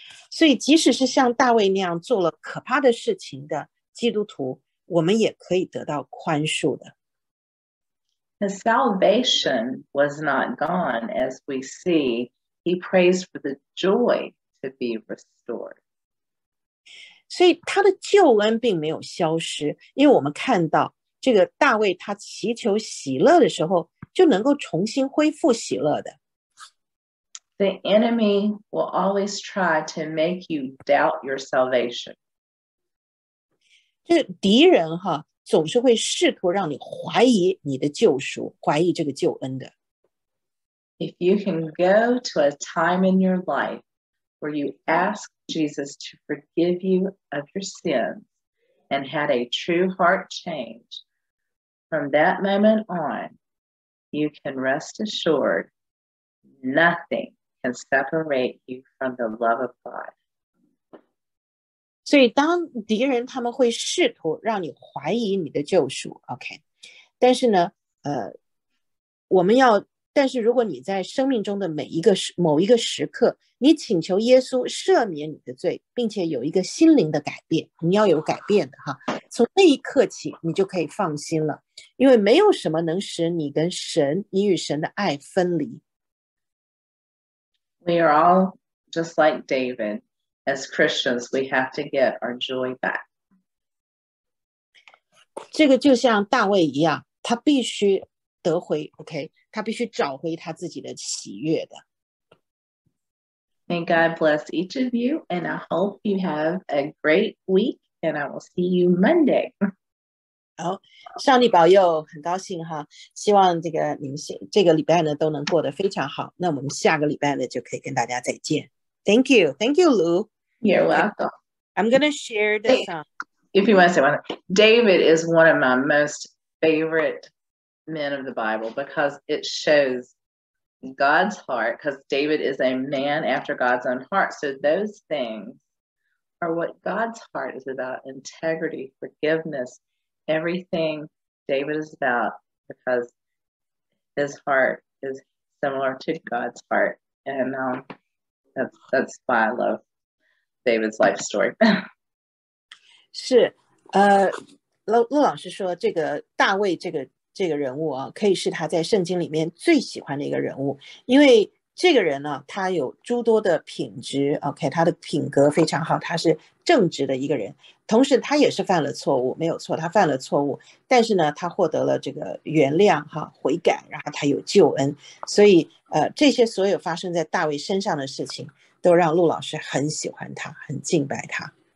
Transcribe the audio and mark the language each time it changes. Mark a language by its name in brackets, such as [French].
[Chinese] 所以即使是像大卫那样做了可怕的事情的基督徒，我们也可以得到宽恕的。 [English] His salvation was not gone, as we see. He prays for the joy to be restored. [Chinese] 所以他的救恩并没有消失，因为我们看到这个大卫他祈求喜乐的时候，就能够重新恢复喜乐的。 [English] The enemy will always try to make you doubt your salvation. [Chinese] 就敌人哈，总是会试图让你怀疑你的救赎，怀疑这个救恩的。 [English] If you can go to a time in your life where you ask Jesus to forgive you of your sins and had a true heart change, from that moment on, you can rest assured nothing can separate you from the love of God. [Chinese] 所以当敌人他们会试图让你怀疑你的救赎 OK， 但是呢我们要，但是如果你在生命中的每一个某一个时刻，你请求耶稣赦免你的罪，并且有一个心灵的改变，你要有改变的哈，从那一刻起你就可以放心了，因为没有什么能使你跟神，你与神的爱分离。 [English] We are all just like David. As Christians, we have to get our joy back. [Chinese] 这个就像大卫一样，他必须得回 ，OK， 他必须找回他自己的喜悦的。 [English] May God bless each of you, and I hope you have a great week, and I will see you Monday. [Chinese] 好，上帝保佑，很高兴哈，希望这个你们这个礼拜呢都能过得非常好。那我们下个礼拜呢就可以跟大家再见。 [English] Thank you, Lou. You're welcome. I'm gonna share the song. If you want to say one, David is one of my most favorite men of the Bible because it shows God's heart, because David is a man after God's own heart. So those things are what God's heart is about, integrity, forgiveness, everything David is about, because his heart is similar to God's heart. And that's why I love David's life story. [Chinese] 是，陆老师说这个大卫这个人物啊，可以是他在圣经里面最喜欢的一个人物，因为这个人呢，他有诸多的品质 ，OK， 他的品格非常好，他是正直的一个人，同时他也是犯了错误，没有错，他犯了错误，但是呢，他获得了这个原谅哈，悔改，然后他有救恩，所以这些所有发生在大卫身上的事情，都让陆老师很喜欢他，很敬拜他。